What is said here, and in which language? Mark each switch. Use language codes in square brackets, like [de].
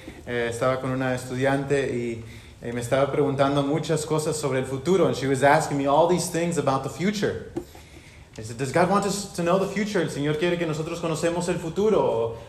[es] Estaba con una estudiante y me estaba preguntando muchas cosas sobre el futuro. [en] And she was asking me all these things about the future. I said, does God want us to know the future? [es] El Señor quiere que nosotros conocemos el futuro.